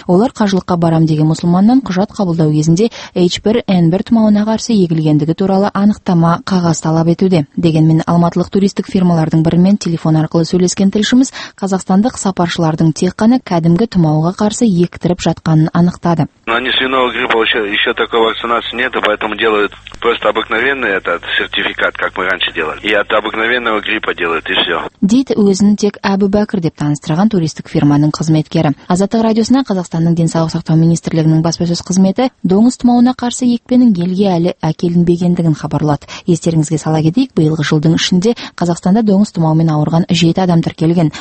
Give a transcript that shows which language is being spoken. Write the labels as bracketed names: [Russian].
[Kazakh] Олар қажылыққа барам деген мұсылманнан құжат қабылдау кезінде H1N1 тұмауына қарсы егілгендігі туралы анықтама қағаз талап етуде. Дегенмен алматылық туристік фирмалардың бірімен телефон арқылы сөйлескен тілшіміз қазақстандық сапаршылардың тек қана кәдімгі тұмауға қарсы ектіріп жатқанын анықтады. [Russian] Они свиного гриппа еще такой вакцинации нет, поэтому делают просто обыкновенный этот сертификат, как мы раньше делали. И от обыкновенного гриппа делают, и все. [Kazakh] Дит өзін тек Әбі Бәкір деп таныстырған туристік фирманың қызметкері. Азаттық радиосына Қазақстанның денсаулық сақтау министрлігінің баспасөз қызметі доңыз тұмауына қарсы екпенің елге әлі әкелінбегендігін хабарлады. Естеріңізге сала кетейік, биылғы жылдың ішінде Қазақстанда доңыз тұмауымен ауырған 7 адам тіркелген.